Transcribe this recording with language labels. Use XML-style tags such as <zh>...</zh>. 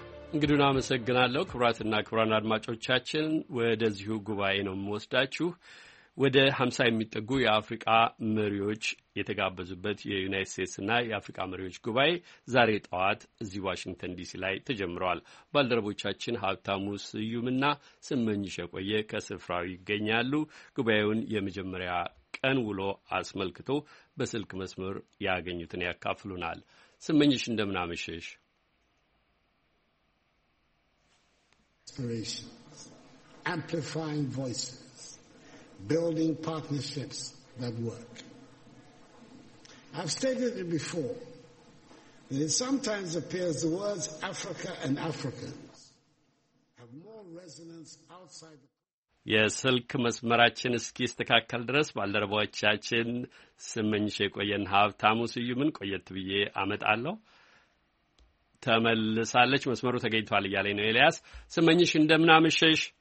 <am>እንግዱን አመሰግናለሁ። ክብራትና ክብራን አድማጮቻችን፣ ወደዚሁ ጉባኤ ነው የምወስዳችሁ። ወደ 50 የሚጠጉ የአፍሪቃ መሪዎች የተጋበዙበት የዩናይት ስቴትስና የአፍሪቃ መሪዎች ጉባኤ ዛሬ ጠዋት እዚህ ዋሽንግተን ዲሲ ላይ ተጀምረዋል። ባልደረቦቻችን ሀብታሙ ስዩምና ስመኝሽ የቆየ ከስፍራው ይገኛሉ። ጉባኤውን የመጀመሪያ ቀን ውሎ አስመልክቶ በስልክ መስመር ያገኙትን ያካፍሉናል። ስመኝሽ እንደምን አመሸሽ?</am> <en>Amplifying voices, building partnerships that work. I've stated it before, that it sometimes appears the words Africa and Africans have more resonance outside the...</en> <am>የስልክ መስመራችን እስኪስተካከል ድረስ ባልደረባዎቻችን ስመኝሽ የቆየን ሀብታሙ ስዩምን ቆየት ብዬ አመጣለሁ። ተመልሳለች፣ መስመሩ ተገኝቷል እያለኝ ነው ኤልያስ። ስመኝሽ እንደምን አመሸሽ?</am>